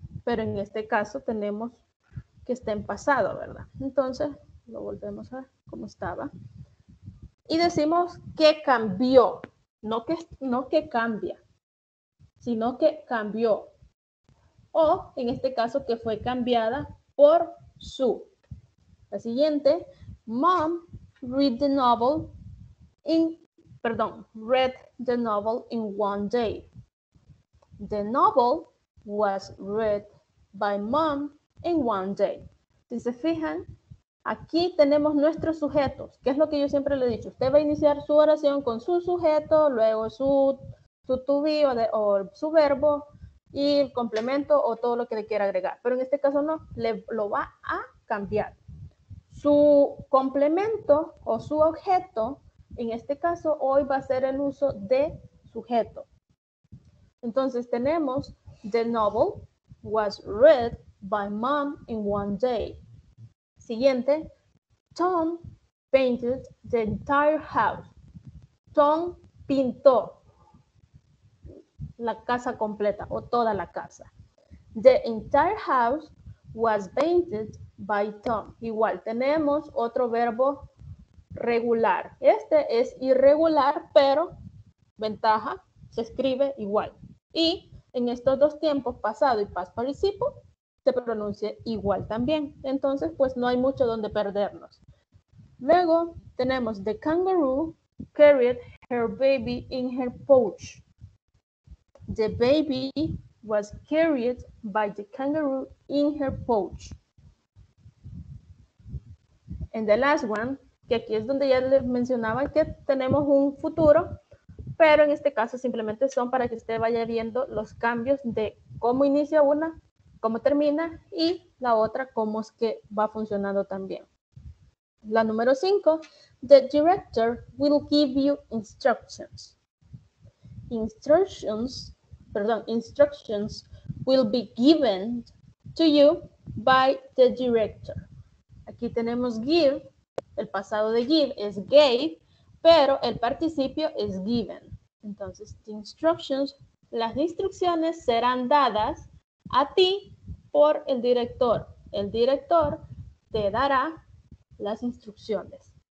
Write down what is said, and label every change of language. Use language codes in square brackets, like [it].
[es] Pero en este caso tenemos que está en pasado, ¿verdad? Entonces lo volvemos a como estaba. Y decimos que cambió, no que cambia, sino que cambió. O, en este caso, que fue cambiada por su. La siguiente, [en] Mom read the novel in one day. The novel was read by Mom in one day. [es] Si se fijan, aquí tenemos nuestros sujetos. ¿Qué es lo que yo siempre le he dicho? Usted va a iniciar su oración con su sujeto, luego su to be o su verbo, y el complemento o todo lo que le quiera agregar. Pero en este caso no, lo va a cambiar. Su complemento o su objeto, en este caso hoy va a ser el uso de sujeto. Entonces tenemos, [en] the novel was read by Mom in one day. [es] Siguiente, [en] Tom painted the entire house. [es] Tom pintó la casa completa o toda la casa. [en] The entire house was painted by Tom. [es] Igual, tenemos otro verbo regular. Este es irregular, pero ventaja, se escribe igual. Y en estos dos tiempos, pasado y past participle, se pronuncia igual también. Entonces, pues no hay mucho donde perdernos. Luego tenemos [en] the kangaroo carried her baby in her pouch. The baby was carried by the kangaroo in her pouch. And the last one, [es] que aquí es donde ya les mencionaba que tenemos un futuro, pero en este caso simplemente son para que usted vaya viendo los cambios de cómo inicia una cómo termina y la otra cómo es que va funcionando también. La número 5, [en] the director will give you instructions. Instructions will be given to you by the director. [es] Aquí tenemos give, el pasado de give es gave, pero el participio es given. Entonces, [en] the instructions, [es] las instrucciones serán dadas a ti por el director. El director te dará las instrucciones.